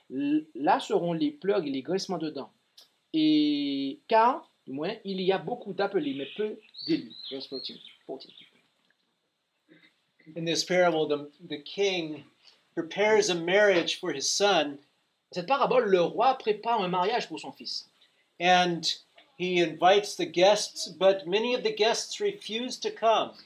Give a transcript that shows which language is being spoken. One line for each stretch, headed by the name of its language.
French: Là seront les pleurs et les grincements de dents. » Et car... Du moins, il y a beaucoup d'appelés, mais peu d'élus.
English: Verse 14. In this parable, the king prepares a marriage for his son.
French: Cette parabole, le roi prépare un mariage pour son fils.
English: And he invites the guests, but many of the guests refuse to come.